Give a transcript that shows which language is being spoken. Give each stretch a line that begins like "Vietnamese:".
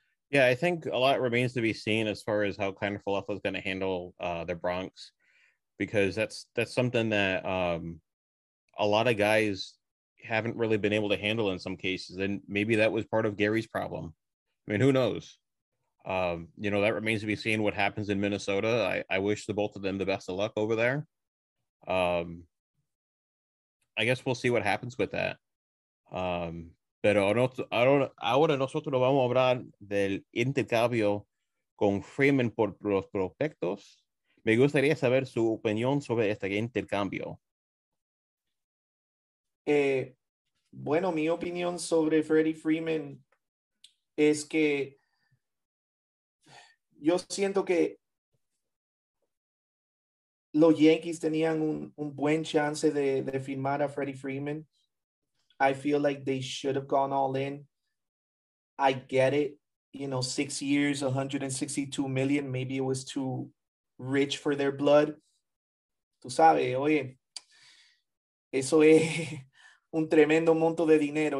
English: Yeah, I think a lot remains to be seen as far as how Kiner Falefa is going to handle the Bronx, because that's something that a lot of guys haven't really been able to handle in some cases, and maybe that was part of Gary's problem. I mean, who knows? You know, that remains to be seen what happens in Minnesota. I wish the both of them the best of luck over there. I guess we'll see what happens with that.
Spanish: Pero ahora nosotros nos vamos a hablar del intercambio con Freeman por los prospectos. Me gustaría saber su opinión sobre este intercambio. Bueno, mi opinión sobre Freddie Freeman, es que yo siento que los Yankees tenían un buen chance de firmar a Freddie Freeman.
English: I feel like they should have gone all in. I get it. You know, 6 years, $162 million. Maybe it was too rich for their blood.
Spanish: Tú sabes, oye, eso es un tremendo monto de dinero.